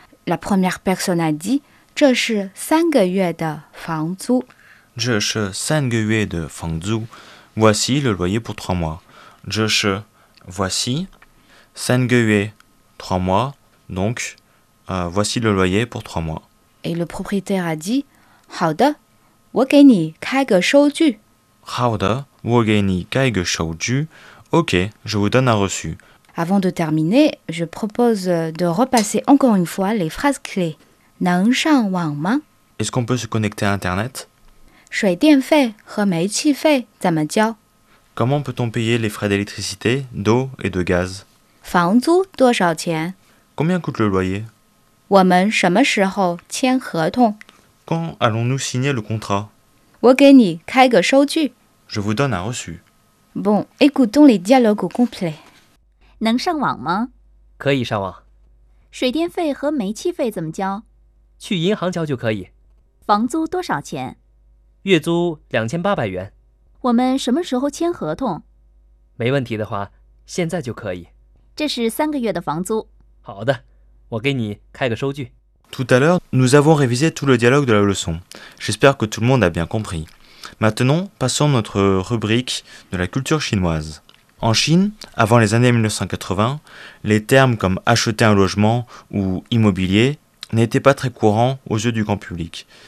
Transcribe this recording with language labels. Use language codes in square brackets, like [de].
[fr] La première personne a dit, [zh] 这是3个月的房租。这是3个月的房租。 [fr] Voici le loyer pour 3 mois. [zh] 这是 [fr] voici [zh] 3个月 [fr] 3 mois. Donc, voici le loyer pour 3 mois. Et le propriétaire a dit, [zh] 好的。我给你开个收据。好的，我给你开个收据。 [fr] OK, je vous donne un reçu. Avant de terminer, je propose de repasser encore une fois les phrases clés. [zh] 能上网吗 [fr] ？Est-ce qu'on peut se connecter à Internet? [zh] 水电费和煤气费怎么交 [fr] ？Comment peut-on payer les frais d'électricité, d'eau et de gaz? [zh] 房租多少钱 [fr] ？Combien coûte le loyer? [zh] 我们什么时候签合同？ [fr] Quand allons-nous signer le contrat? [zh] 我给你开个收据。 [fr] Je vous donne un reçu. Bon, écoutons les dialogues au complet. [zh] 能上网吗？可以上网。水电费和煤气费怎么交？去银行交就可以。房租多少钱？月租2800元。我们什么时候签合同？没问题的话，现在就可以。这是3个月的房租。好的，我给你开个收据。 [fr] Tout à l'heure, nous avons révisé tout le dialogue de la leçon. J'espère que tout le monde a bien compris. Maintenant, passons à notre rubrique de la culture chinoise. En Chine, avant les années 1980, les termes comme « acheter un logement » ou « immobilier » n'étaient pas très courants aux yeux du grand public.